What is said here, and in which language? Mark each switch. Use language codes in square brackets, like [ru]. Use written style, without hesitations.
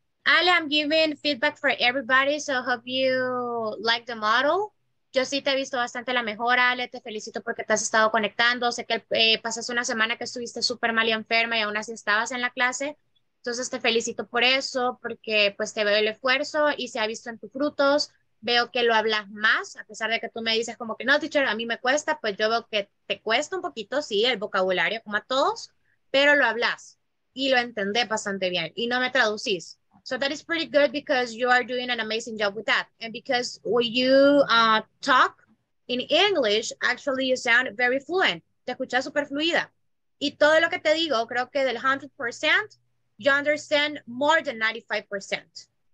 [en] Ale, I'm giving feedback for everybody, so hope you like the model. [es] Yo sí te he visto bastante la mejora, Ale, te felicito porque te has estado conectando. Sé que pasaste una semana que estuviste súper mal y enferma y aún así estabas en la clase. Entonces te felicito por eso, porque pues te veo el esfuerzo y se ha visto en tus frutos. Veo que lo hablas más, a pesar de que tú me dices como que no, teacher, a mí me cuesta, pues yo veo que te cuesta un poquito, sí, el vocabulario, como a todos, pero lo hablas y lo entendés bastante bien y no me traducís. [en] So that is pretty good because you are doing an amazing job with that. And because when you talk in English, actually you sound very fluent. [es] Te escuchas super fluida. Y todo lo que te digo, creo que del 100%, [en] you understand more than 95%.